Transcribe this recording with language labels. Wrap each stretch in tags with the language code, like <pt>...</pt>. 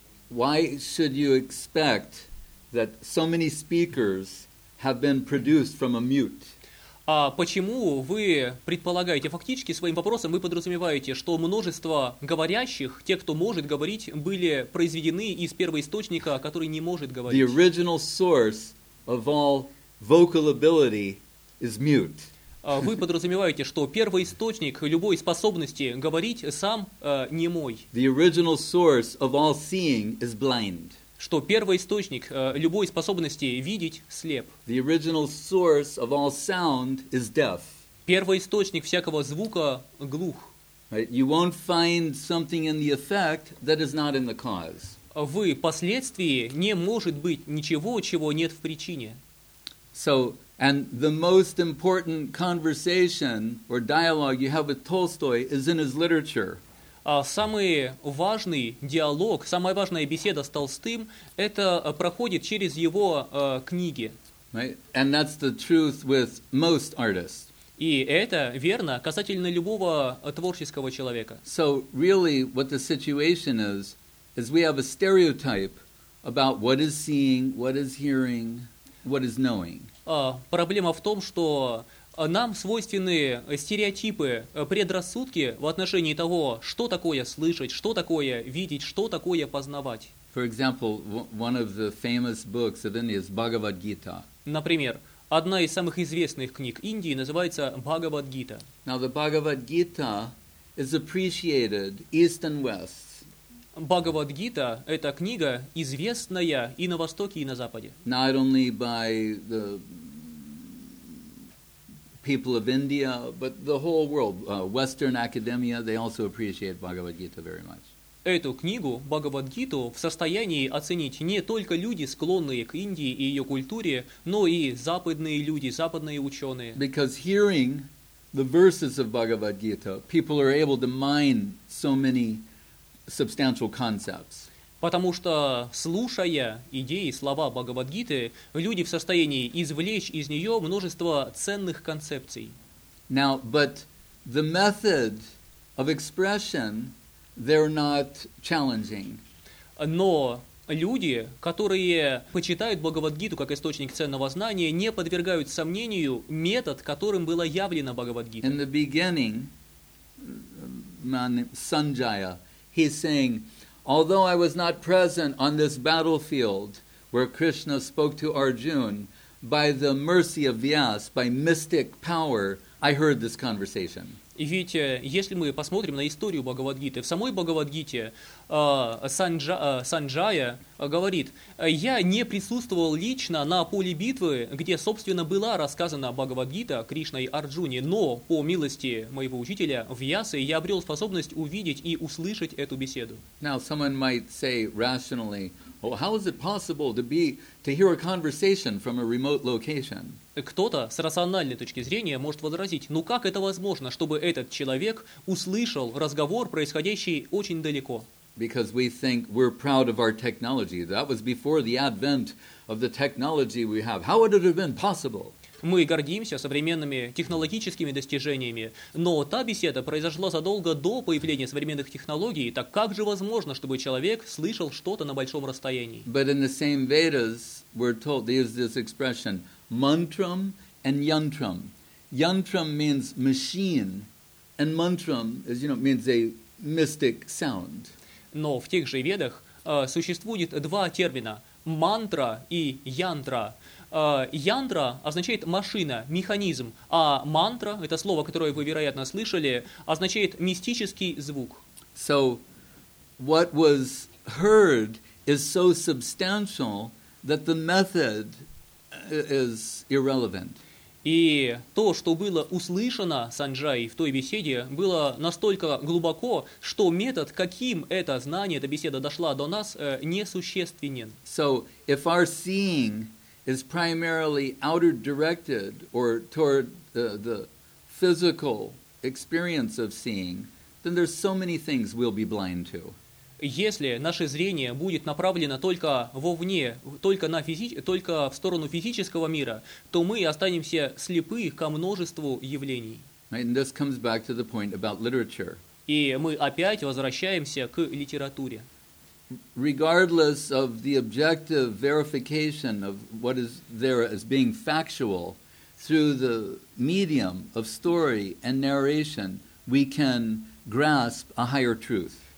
<en>Why should you expect that so many speakers have been produced from a mute?</en> <ru>А почему вы предполагаете, фактически своим вопросом вы подразумеваете, что множество говорящих, те, кто может говорить, были произведены из первоисточника, который не может говорить?</ru> <en>The original source of all vocal ability is mute.</en> <ru>Вы подразумеваете, что первоисточник любой способности говорить сам немой?</ru> <en>The original source of all seeing is blind.</en> <ru>Что первоисточник любой способности видеть слеп.</ru> <en>The original source of all sound is deaf.</en> <ru>Первоисточник всякого звука глух.</ru> <en>Right? You won't find something in the effect that is not in the cause.</en> <ru>В последствии не может быть ничего, чего нет в причине.</ru> <en>So, and the most important conversation or dialogue you have with Tolstoy is in his literature.</en> <ru>Самый важный диалог, самая важная беседа с Толстым, это проходит через его книги.</ru> <en>Right? And that's the truth with most artists.</en> <ru>И это верно касательно любого творческого человека.</ru> <en>So really what the situation is we have a stereotype about what is seeing, what is hearing, what is knowing.</en> <ru>Проблема в том, что нам свойственны стереотипы, предрассудки в отношении того, что такое слышать, что такое видеть, что такое познавать.</ru> <en>For example, one of the famous books of India is Bhagavad-gita.</en> <ru>Например, одна из самых известных книг Индии называется Бхагавад-гита.</ru> <en>Now the Bhagavad-gita is appreciated east and west.</en> <ru>Бхагавад-гита – это книга, известная и на Востоке, и на Западе.</ru> <en>Not only by the people of India, but the whole world, Western academia, they also appreciate Bhagavad Gita very much.</en> <ru>Эту книгу, Бхагавад Гиту, в состоянии оценить не только люди, склонные к Индии и ее культуре, но и западные люди, западные ученые.</ru> <en>Because hearing the verses of Bhagavad Gita, people are able to mine so many substantial concepts.</en> <ru>Потому что, слушая идеи, слова Бхагавад-гиты, люди в состоянии извлечь из нее множество ценных концепций.</ru> <en>Now, but the method of expression, they're not challenging.</en> <ru>Но люди, которые почитают Бхагавад-гиту как источник ценного знания, не подвергают сомнению метод, которым была явлена Бхагавад-гита.</ru> <en>In the beginning, Sanjaya, he's saying, although I was not present on this battlefield where Krishna spoke to Arjuna, by the mercy of Vyas, by mystic power, I heard this conversation.</en> <ru>Ведь если мы посмотрим на историю Бхагавад-гиты, в самой Бхагавад-гите Санджая говорит, я не присутствовал лично на поле битвы, где, собственно, была рассказана Бхагавад-гита Кришной Арджуне, но по милости моего учителя Вьясы я обрел способность увидеть и услышать эту беседу.</ru> <en>Now someone might say rationally, well, how is it possible to hear a conversation from a remote location?</en> <ru>Кто-то с рациональной точки зрения может возразить, ну как это возможно, чтобы этот человек услышал разговор, происходящий очень далеко?</ru> <en>Because we think we're proud of our technology. That was before the advent of the technology we have. How would it have been possible?</en> <ru>Мы гордимся современными технологическими достижениями, но та беседа произошла задолго до появления современных технологий, так как же возможно, чтобы человек слышал что-то на большом расстоянии?</ru> <en>But in the same Vedas, we're told, there's this expression, mantram and yantram. Yantram means machine, and mantram, as you know, means a mystic sound.</en> <ru>Но в тех же Ведах существует два термина, мантра и янтра. Яндра означает машина, механизм, а мантра, это слово, которое вы, вероятно, слышали, означает мистический звук.</ru> <en>So, what was heard is so substantial that the method is irrelevant.</en> <ru>И то, что было услышано Санджай в той беседе, было настолько глубоко, что метод, каким это знание, эта беседа дошла до нас, несущественен.</ru> <en>So if our seeing is primarily outer directed or toward the physical experience of seeing, then there's so many things we'll be blind to.</en> <ru>Если наше зрение будет направлено только вовне, только на только в сторону физического мира, то мы останемся слепы ко множеству явлений.</ru> <en>Right, and this comes back to the point about literature.</en> <ru>И мы опять возвращаемся к литературе.</ru> <en>Regardless of the objective verification of what is there as being factual, through the medium of story and narration, we can grasp a higher truth.</en>